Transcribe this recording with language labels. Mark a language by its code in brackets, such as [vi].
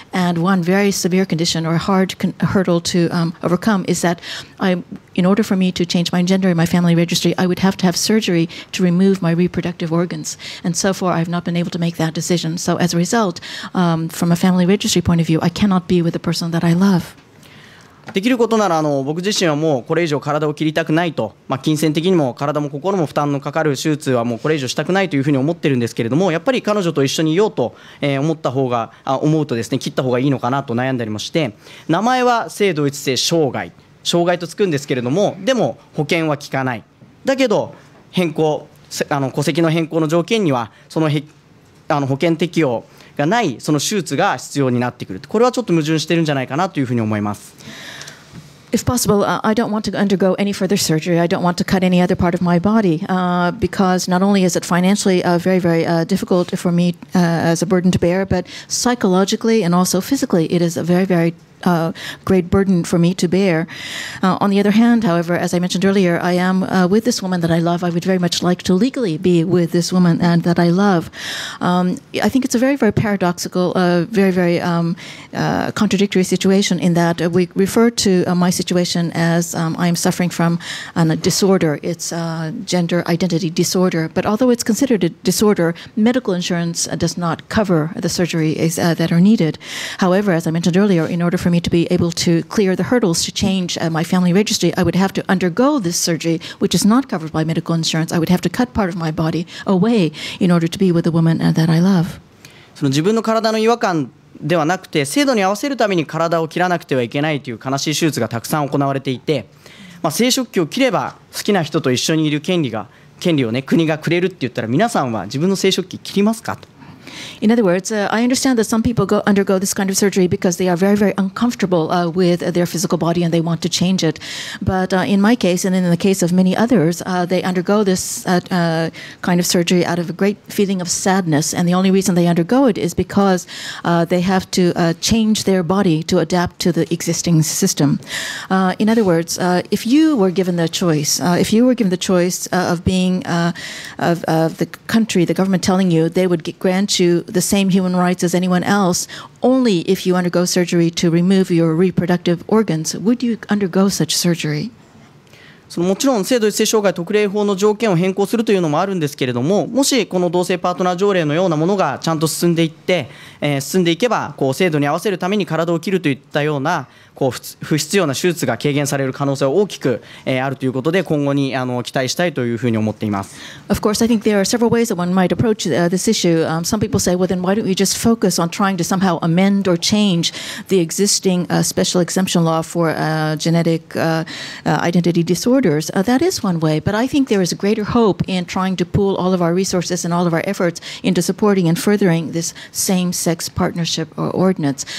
[en] And one very severe condition or hard hurdle to overcome is that in order for me to change my gender in my family registry, I would have to have surgery to remove my reproductive organs. And so far, I've not been able to make that decision. So as a result, from a family registry point of view, I cannot be with the person that I love. [ja] できることなら僕自身はもうこれ以上体を切りたくないと、まあ、金銭的にも体も心も負担のかかる手術はもうこれ以上したくないというふうに思ってるんですけれども、やっぱり彼女と一緒にいようと思った方が、思うとですね、切った方がいいのかなと悩んだりもして、名前は性同一性障害、障害とつくんですけれども、でも保険は効かない。だけど変更、戸籍の変更の条件にはその保険適用がないその手術が必要になってくる。これはちょっと矛盾してるんじゃないかなというふうに思います。 [en] If possible, I don't want to undergo any further surgery. I don't want to cut any other part of my body, because not only is it financially very, very difficult for me as a burden to bear, but psychologically and also physically, it is a very, very great burden for me to bear. On the other hand, however, as I mentioned earlier, I am with this woman that I love. I would very much like to legally be with this woman and that I love. I think it's a very, very paradoxical, very, very contradictory situation in that we refer to my situation as I am suffering from a disorder. It's a gender identity disorder. But although it's considered a disorder, medical insurance does not cover the surgeries that are needed. However, as I mentioned earlier, in order for me to be able to clear the hurdles to change my family registry, I would have to undergo this surgery, which is not covered by medical insurance. I would have to cut part of my body away in order to be with the woman that I love. [ja] その自分の体の違和感ではなくて、制度に合わせるために体を切らなくてはいけないという悲しい手術がたくさん行われていて、まあ、生殖器を切れば好きな人と一緒にいる権利を、ね、国がくれるって言ったら、皆さんは自分の生殖器切りますかと。 [en] In other words, I understand that some people undergo this kind of surgery because they are very, very uncomfortable with their physical body and they want to change it. But in my case, and in the case of many others, they undergo this kind of surgery out of a great feeling of sadness. And the only reason they undergo it is because they have to change their body to adapt to the existing system. In other words, if you were given the choice, of being of the country, the government telling you they would grant you the same human rights as anyone else, only if you undergo surgery to remove your reproductive organs, would you undergo such surgery? [ja] そのもちろん性同一性障害特例法の条件を変更するというのもあるんですけれども、もしこの同性パートナー条例のようなものがちゃんと進んでいって、進んでいけば、こう制度に合わせるために体を切るといったようなこう不必要な手術が軽減される可能性は大きく、あるということで、今後に期待したいというふうに思っています。 [en] Of course, I think there are several ways that one might approach this issue. Some people say, well, then why don't we just focus on trying to somehow amend or change the existing special exemption law for genetic identity disorders? That is one way, but I think there is a greater hope in trying to pool all of our resources and all of our efforts into supporting and furthering this same-sex partnership ordinance.